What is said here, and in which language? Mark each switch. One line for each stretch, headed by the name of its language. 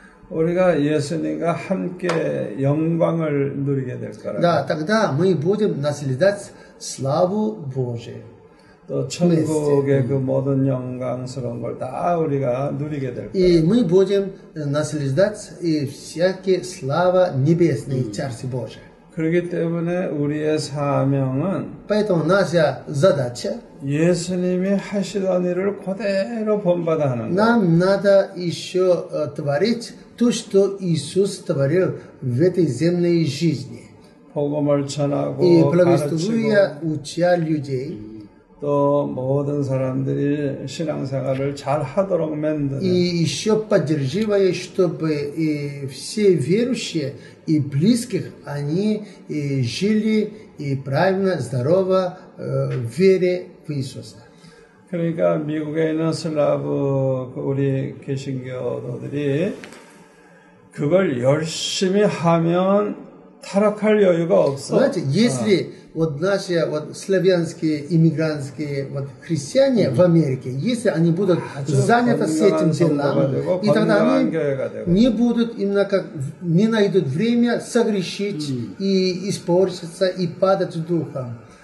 Korean: 우리가 예수님과 함께 영광을 누리게 될 거라.
Russian: 다 тогда мы будем наследовать славу Божию.
Korean: 또 천국의 그 모든 영광스러운 걸 다 우리가 누리게 될 거예요.
Russian: И мы будем наслаждаться и всякие слава небесные царство Божие.
Korean: 그렇기 때문에 우리의 사명은
Russian: Поэтому наша задача
Korean: 예수님이 하시던 일을 그대로 본받아 하는 거예요.
Russian: Нам надо еще творить то, что Иисус творил в этой земной жизни.
Korean: 복음을 전하고
Russian: И благословуя уча людей
Korean: 또 모든 사람들이 신앙생활을 잘 하도록 만드는
Russian: и еще поддерживая, чтобы и все верующие и близких они и жили и правильно, здорово в вере в Иисуса.
Korean: 그러니까 미국에 있는 슬라브 우리 개신교도들이 그걸 열심히 하면 타락할 여유가 없어.
Russian: Если вот наши вот славянские иммигрантские вот христиане в Америке, если они будут заняты с этим делом, и тогда они не будут именно как не найдут время согрешить и испортиться и падать духом.